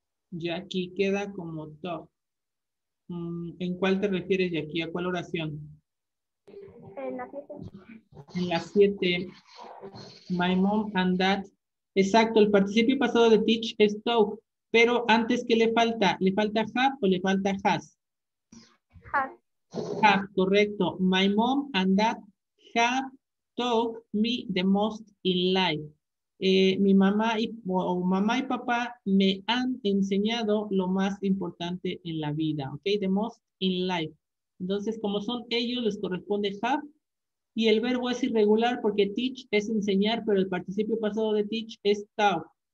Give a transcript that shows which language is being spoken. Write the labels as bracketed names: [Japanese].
[Spanish] Jackie, queda como top. ¿En cuál te refieres, Jackie? ¿A cuál oración? En la 7. En la 7. [English] My mom and dad. [Spanish] Exacto, el participio pasado de teach es talk, pero antes, ¿qué le falta? ¿Le falta have o le falta has? [English] Have. Have, correcto. My mom and dad have talked me the most in life. [Spanish] Mi mamá mamá y papá me han enseñado lo más importante en la vida, ¿ok? [English] The most in life. [Spanish] Entonces, como son ellos, les corresponde have. Y el verbo es irregular porque teach es enseñar, pero el participio pasado de teach es taught.